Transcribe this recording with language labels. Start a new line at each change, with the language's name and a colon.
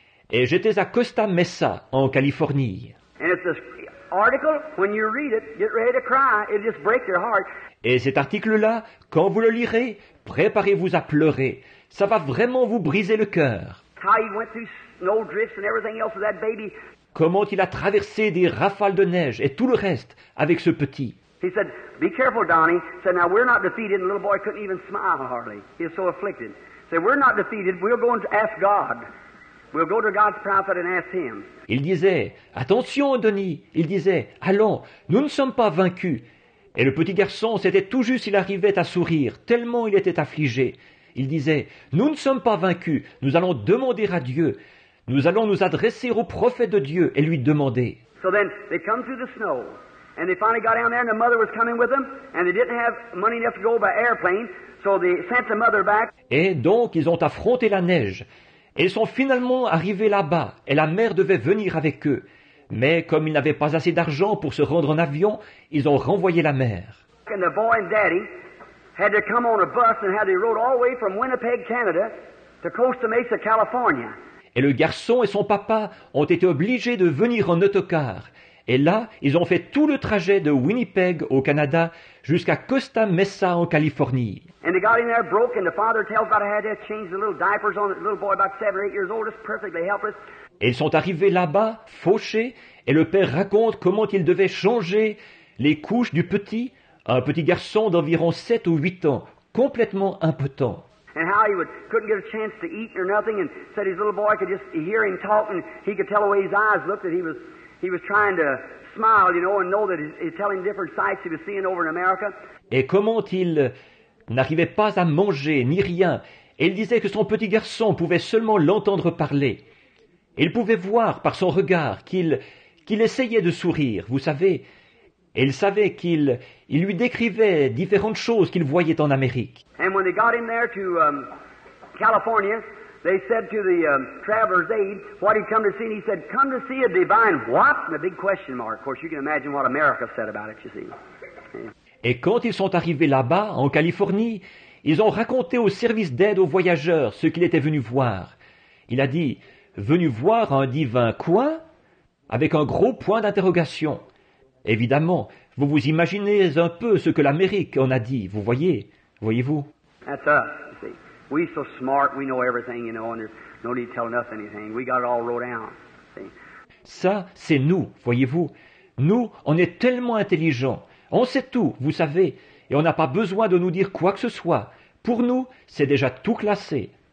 French: Et j'étais à Costa Mesa, en Californie.
English: Article, when you read it, get ready to cry. It'll just break your heart.
French: Et cet article-là, quand vous le lirez, préparez-vous à pleurer. Ça va vraiment vous briser le cœur.
English: How he went through snow drifts and everything else with that baby.
French: Comment il a traversé des rafales de neige et tout le reste avec ce petit.
English: He said, "Be careful, Donnie." He said, "Now we're not defeated." And the little boy couldn't even smile hardly. He was so afflicted. He said, "We're not defeated. We're going to ask God." We'll go to God's prophet and ask him.
French: Il disait, attention, Denis. Il disait, allons, nous ne sommes pas vaincus. Et le petit garçon, c'était tout juste s'il arrivait à sourire, tellement il était affligé. Il disait, nous ne sommes pas vaincus, nous allons demander à Dieu. Nous allons nous adresser au prophète de Dieu et lui demander.
English: So then, they come through the snow. And they finally got down there and the mother was coming with them. And they didn't have money enough to go by airplane. So they sent the mother back.
French: Et donc, ils ont affronté la neige. Et ils sont finalement arrivés là-bas, et la mère devait venir avec eux. Mais comme ils n'avaient pas assez d'argent pour se rendre en avion, ils ont renvoyé la mère.
English: And the boy and daddy had to come on a bus and had to rode all the way from Winnipeg, Canada, to Costa Mesa, California.
French: Et le garçon et son papa ont été obligés de venir en autocar. Et là, ils ont fait tout le trajet de Winnipeg au Canada jusqu'à Costa Mesa en Californie.
English: And they got in there broke, and the father tells God I had to change the little diapers on the little boy about 7 or 8 years old, just perfectly helpless.
French: Et ils sont arrivés là-bas, fauchés, et le père raconte comment il devait changer les couches du petit, un petit garçon d'environ 7 ou 8 ans, complètement impotent.
English: And how he couldn't get a chance to eat or nothing, and said his little boy could just hear him talk, and he could tell the way his eyes looked that he was trying to smile, you know, and know that he's telling different sights he was seeing over in America.
French: Et comment il n'arrivait pas à manger ni rien. Elle disait que son petit garçon pouvait seulement l'entendre parler. Elle pouvait voir par son regard qu'il essayait de sourire, vous savez. Elle savait qu'il lui décrivait différentes choses qu'il voyait en Amérique.
English: And when they got him there to California, they said to the traveler's aide, what he'd come to see, and he said, come to see a divine what? And a big question mark. Of course, you can imagine what America said about it, you see.
French: Et quand ils sont arrivés là-bas, en Californie, ils ont raconté au service d'aide aux voyageurs ce qu'il était venu voir. Il a dit, « Venu voir un divin quoi ?» avec un gros point d'interrogation. Évidemment, vous vous imaginez un peu ce que l'Amérique en a dit, vous voyez, voyez-vous.
English: That's us, you see. We're so smart, we know everything, you know, and there's no need to tell us anything. We got it all wrote down, see.
French: Ça, c'est nous, voyez-vous. Nous, on est tellement intelligents. On sait tout, vous savez, et on n'a pas besoin de nous dire quoi que ce soit. Pour nous, c'est déjà tout classé.